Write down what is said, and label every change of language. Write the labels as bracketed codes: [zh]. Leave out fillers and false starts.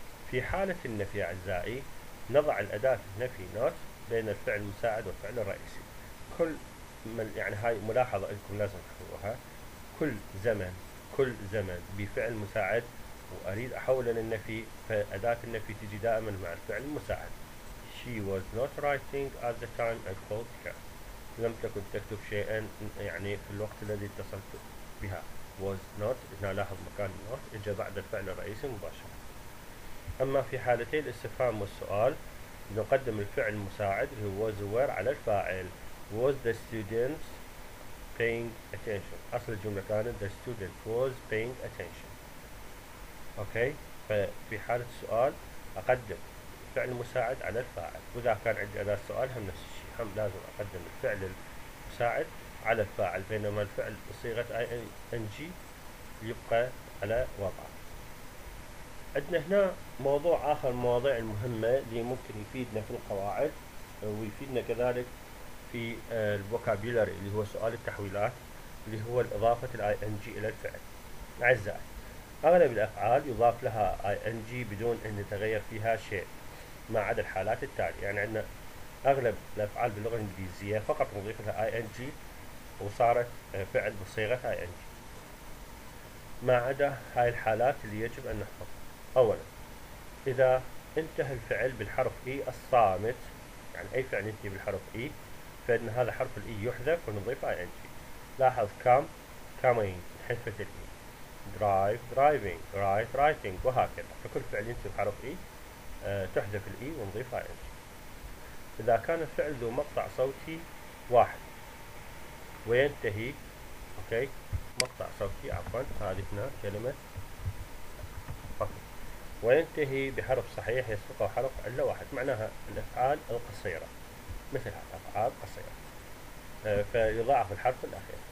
[ar] في حالة النفي أعزائي نضع الأداة النفي not بين الفعل المساعد والفعل الرئيسي. كل يعني هاي ملاحظة لكم لازم تحفظوها، كل زمن بفعل مساعد وأريد أحوله للنفي، فأداة النفي تجي دائما مع الفعل المساعد. [en] She was not writing at the time I called her. [ar] لم تكن تكتب شيئا يعني في الوقت الذي اتصلت بها. [en] Was not، [ar] هنا لاحظ مكان not اجى بعد الفعل الرئيسي مباشرة. أما في حالتي الاستفهام والسؤال نقدم الفعل المساعد اللي هو was aware على الفاعل. [en] Was the student paying attention؟ [ar] أصل الجملة كانت [en] the student was paying attention. [ar] أوكي، ففي حالة السؤال أقدم فعل مساعد على الفاعل، وإذا كان عندي أداة سؤال هم نفس الشيء، هم لازم أقدم الفعل المساعد على الفاعل، بينما الفعل بصيغة ing يبقى على وضعه. عندنا هنا موضوع آخر، مواضيع المهمة اللي ممكن يفيدنا في القواعد ويفيدنا كذلك في الفوكابيولري اللي هو سؤال التحويلات، اللي هو إضافة الـ ing إلى الفعل. أعزائي أغلب الأفعال يضاف لها ing بدون أن يتغير فيها شيء ما عدا الحالات التالية. يعني عندنا أغلب الأفعال باللغة الإنجليزية فقط نضيف لها ing وصارت فعل بصيغة ing ما عدا هاي الحالات اللي يجب أن نحفظها. أولا إذا انتهى الفعل بالحرف اي الصامت، يعني أي فعل ينتهي بالحرف اي، فإن هذا حرف الاي يحذف ونضيف ing. لاحظ coming حذفت الاي، drive driving، write writing، وهكذا. فكل فعل ينتهي بحرف اي تحذف الاي ونضيف ing. إذا كان الفعل ذو مقطع صوتي واحد وينتهي، أوكي مقطع صوتي عفوا، هذه هنا كلمة فقط، وينتهي بحرف صحيح يسبقه حرف إلا واحد، معناها الأفعال القصيرة مثل هذا أفعال قصيرة فيضاعف الحرف الأخير.